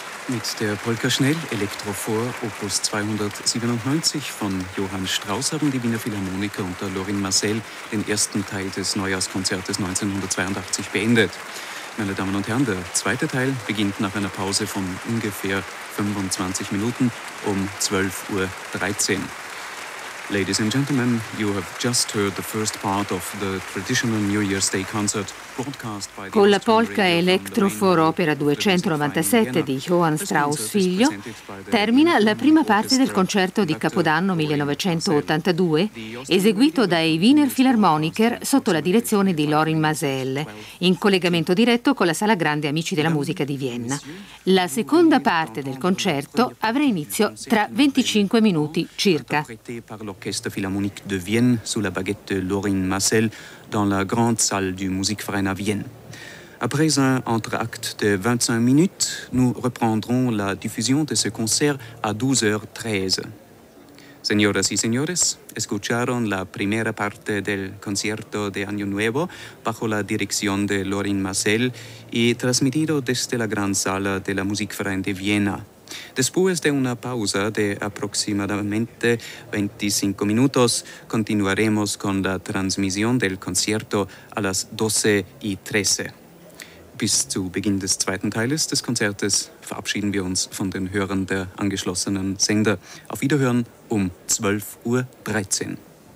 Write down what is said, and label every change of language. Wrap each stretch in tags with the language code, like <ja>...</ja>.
<de>Mit der Polka Schnell, Elektrophor, Opus 297 von Johann Strauss haben die Wiener Philharmoniker unter Lorin Marcel den ersten Teil des Neujahrskonzertes 1982 beendet. Meine Damen und Herren, der zweite Teil beginnt nach einer Pause von ungefähr 25 Minuten um 12.13 Uhr.</de> <en>Ladies and gentlemen, you have just heard the first part of the traditional New Year's Day concert broadcast by the</en> <it>con la polka Elektrophor opera 297 di Johann Strauss figlio termina la prima parte del concerto di Capodanno 1982 eseguito dai Wiener Philharmoniker sotto la direzione di Lorin Marcel in collegamento diretto con la Sala Grande Amici della Musica di Vienna. La seconda parte del concerto avrà inizio tra 25 minuti circa.</it> <fr>L'Orchestre Philharmonique de Vienne sous la baguette de Lorin Marcel dans la grande salle du Musikverein à Vienne. Après un entr'acte de 25 minutes, nous reprendrons la diffusion de ce concert à 12h13.</fr> <es>Señoras y señores, escucharon la primera parte del concierto de Año Nuevo bajo la dirección de Lorin Maazel y transmitido desde la Gran Sala de la Musikverein de Viena. Después de una pausa de aproximadamente 25 minutos, continuaremos con la transmisión del concierto a las 12:13.</es> <de>Bis zu Beginn des zweiten Teiles des Konzertes verabschieden wir uns von den Hörern der angeschlossenen Sender. Auf Wiederhören um 12:13 Uhr.</de>